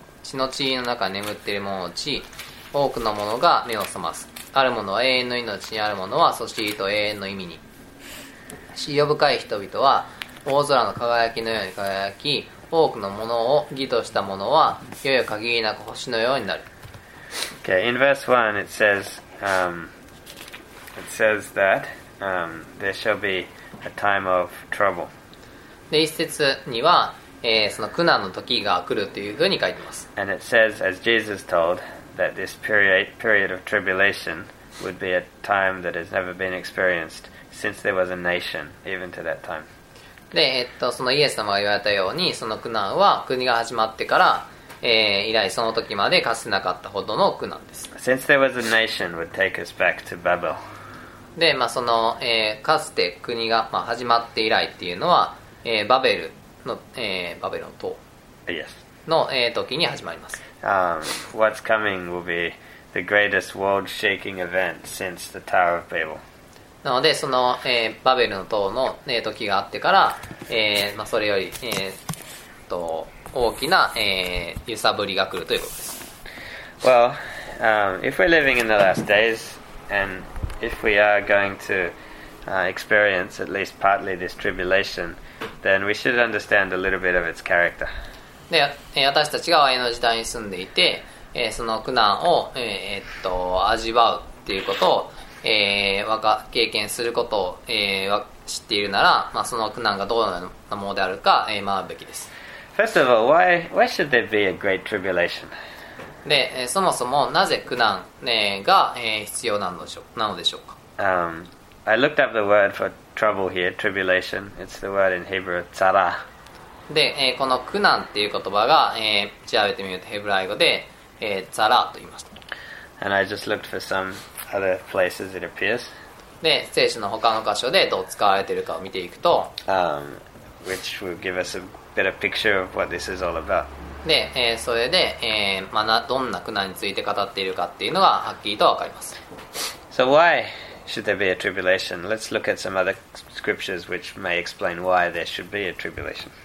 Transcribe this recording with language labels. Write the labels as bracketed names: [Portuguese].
[Japanese] 血の地の中に眠っているもののうち、多くの者が目を覚ます。ある者は永遠の命に、ある者は組織と永遠の意味に。死を深い人々は大空の輝きのように輝き、多くのものを義とした者はいよいよ限りなく星のようになる。 [English] Okay, in verse 1 it says that there shall be a time of trouble. [Japanese] で、一節には、その苦難の時が来るというふうに書いてます。 [English] And it says, as Jesus told, that this period of tribulation would be a time that has never been experiencedSince there was a nation, even to that time. [Japanese] で、そのイエス様が言われたように、その苦難は国が始まってから、以来その時までかつてなかったほどの苦難です。 [English] Since there was a nation, would take us back to Babel. [Japanese] で、まあ、その、かつて国が、まあ、始まって以来っていうのは、バベルの、バベルの塔の、時に始まります。 [English] What's coming will be the greatest world-shaking event since the Tower of Babel. [Japanese] なので、その、バベルの塔の、時があってから、まあ、それより、大きな、揺さぶりが来るということです。 [English] Well, if we're living in the last days, and if we are going to experience at least partly this tribulation, then we should understand a little bit of its character. [Japanese] で、私たちが我々の時代に住んでいて、その苦難を、味わうということを、経験することを、知っているなら、まあ、その苦難がどうなものであるか、学ぶべきです。 [English] First of all, why should there be a great tribulation? [Japanese] で、そもそもなぜ苦難、が、必要なのでしょう、か、 [English] I looked up the word for trouble here, tribulation. It's the word in Hebrew, tzara. [Japanese] で、この苦難っていう言葉が、調べてみるとヘブライ語で、tzara と言いました。 [English] And I just looked for someother places it appears. [Japanese] で、聖書の他の箇所でどう使われているかを見ていくと、 [English] which will give us a better picture of what this is all about. [Japanese] で、それで、まあ、どんな苦難について語っているかっていうのがはっきりとわかります。 [English] So why should there be a tribulation? Let's look at some other scriptures which may explain why there should be a tribulation.